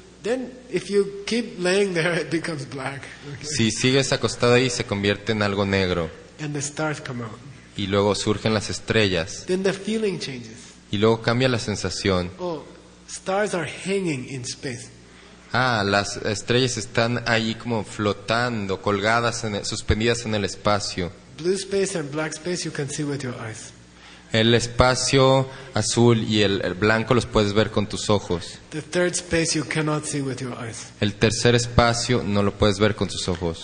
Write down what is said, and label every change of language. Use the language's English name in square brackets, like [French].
[English] Then, if you keep laying there, it becomes black. [Spanish] Si sigues acostada ahí, se convierte en algo negro. [English] And the stars come out. [Spanish] Y luego surgen las estrellas. [English] Then the feeling changes. [Spanish] Y luego cambia la sensación. [English] Oh, stars are hanging in space. [Spanish] Ah, las estrellas están ahí como flotando, colgadas, suspendidas en el espacio. [English] Blue space and black space you can see with your eyes. [Spanish] El espacio azul y el blanco los puedes ver con tus ojos. [English] The third space you cannot see with your eyes. [Spanish] El tercer espacio no lo puedes ver con tus ojos.